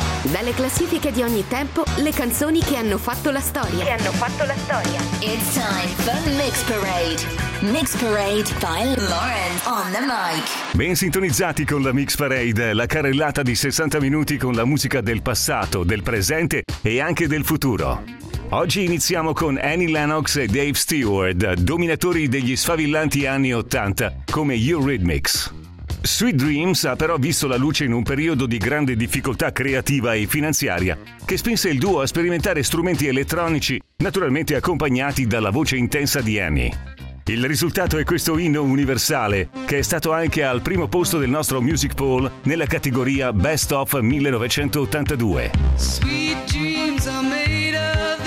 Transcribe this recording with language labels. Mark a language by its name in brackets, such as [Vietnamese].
[Italian] Dalle classifiche di ogni tempo, le canzoni che hanno fatto la storia. Che hanno fatto la storia. [English] It's time for Mix Parade. Mix Parade by Lauren on the mic. [Italian] Ben sintonizzati con la Mix Parade, la carrellata di 60 minuti con la musica del passato, del presente e anche del futuro. Oggi iniziamo con Annie Lennox e Dave Stewart, dominatori degli sfavillanti anni 80, come Eurythmics. Sweet Dreams ha però visto la luce in un periodo di grande difficoltà creativa e finanziaria, che spinse il duo a sperimentare strumenti elettronici, naturalmente accompagnati dalla voce intensa di Annie. Il risultato è questo inno universale, che è stato anche al primo posto del nostro Music Poll nella categoria Best of 1982. [English] Sweet Dreams are made of.